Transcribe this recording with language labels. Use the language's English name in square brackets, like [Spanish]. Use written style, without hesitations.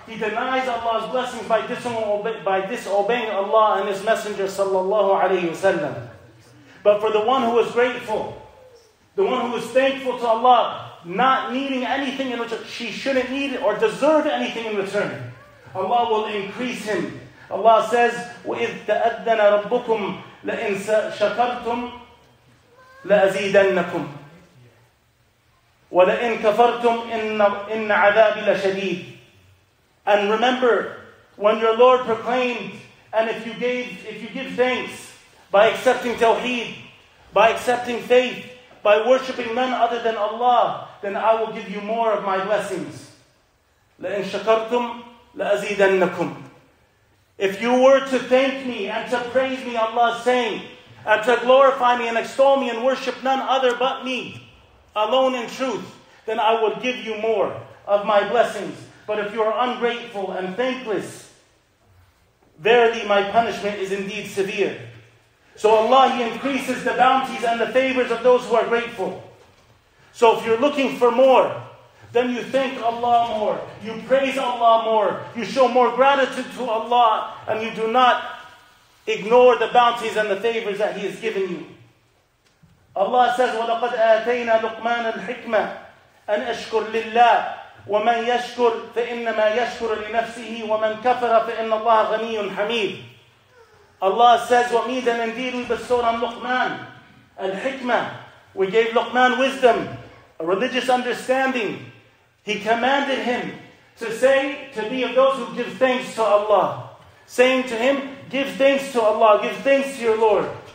[English] He denies Allah's blessings by disobeying Allah and His Messenger sallallahu alayhi wa sallam. But for the one who is grateful, the one who is thankful to Allah, not needing anything in return, she shouldn't need or deserve anything in return, Allah will increase him. Allah says, [Arabic] وَإِذْ تَأَذَّنَ رَبُّكُمْ لَإِنْ شَكَرْتُمْ لَأَزِيدَنَّكُمْ وَلَإِنْ كَفَرْتُمْ إِنَّ عَذَابِ لَشَدِيدٍ. [English] And remember, when your Lord proclaimed, and if you give thanks by accepting tawheed, by accepting faith, by worshipping none other than Allah, then I will give you more of my blessings. [Arabic] لَإِنْ شَكَرْتُمْ لَأَزِيدَنَّكُمْ. [English] If you were to thank me and to praise me, Allah is saying, and to glorify me and extol me and worship none other but me, alone in truth, then I will give you more of my blessings. But if you are ungrateful and thankless, verily my punishment is indeed severe. So Allah, He increases the bounties and the favors of those who are grateful. So if you're looking for more, then you thank Allah more, you praise Allah more, you show more gratitude to Allah, and you do not ignore the bounties and the favors that He has given you. Allah says, [Arabic] وَلَقَدْ آتَيْنَا لُقْمَانَ الْحِكْمَةِ أَنْ أَشْكُرْ لِلَّهِ وَمَنْ يَشْكُرْ فَإِنَّمَا يَشْكُرْ لِنَفْسِهِ وَمَنْ كَفَرَ فَإِنَّ اللَّهَ غَنِيٌّ حَمِيدٌ. [English] Allah says, what means that indeed we bestowed on Luqman al-Hikmah. We gave Luqman wisdom, a religious understanding. He commanded him to say, to be of those who give thanks to Allah. Saying to him, give thanks to Allah, give thanks to your Lord.